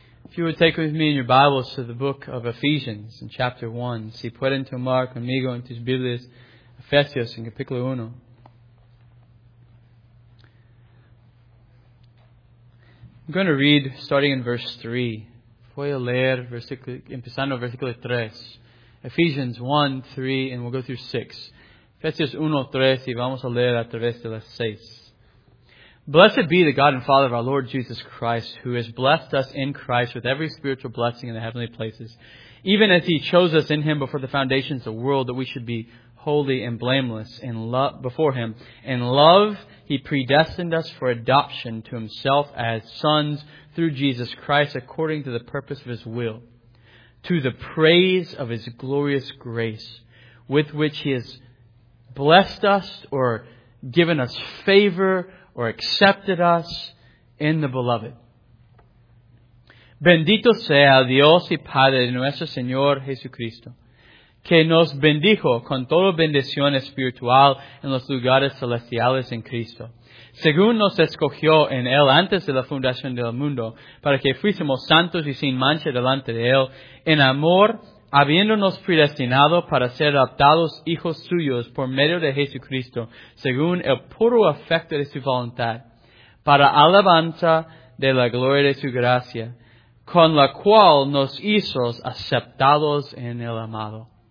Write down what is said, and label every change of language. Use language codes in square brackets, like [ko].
[en] If you would take with me in your Bibles to the book of Ephesians in chapter 1. [es] Si pueden tomar conmigo en tus Biblias, Efesios en capítulo 1. [en] I'm going to read starting in verse 3. [es] Voy a leer empezando versículo 3. [en] Ephesians 1, 3, and we'll go through 6. [es] Efesios 1, 3, y vamos a leer a través de las 6. [en] Blessed be the God and Father of our Lord Jesus Christ, who has blessed us in Christ with every spiritual blessing in the heavenly places, even as He chose us in Him before the foundations of the world, that we should be holy and blameless in love before Him. In love, He predestined us for adoption to Himself as sons through Jesus Christ, according to the purpose of His will, to the praise of His glorious grace, with which He has blessed us or given us favor or accepted us in the Beloved. [es] Bendito sea Dios y Padre de nuestro Señor Jesucristo, que nos bendijo con toda bendición espiritual en los lugares celestiales en Cristo, según nos escogió en Él antes de la fundación del mundo, para que fuésemos santos y sin mancha delante de Él, en amor, habiéndonos predestinado para ser adoptados hijos suyos por medio de Jesucristo, según el puro afecto de su voluntad, para alabanza de la gloria de su gracia, con la cual nos hizo aceptados en el amado.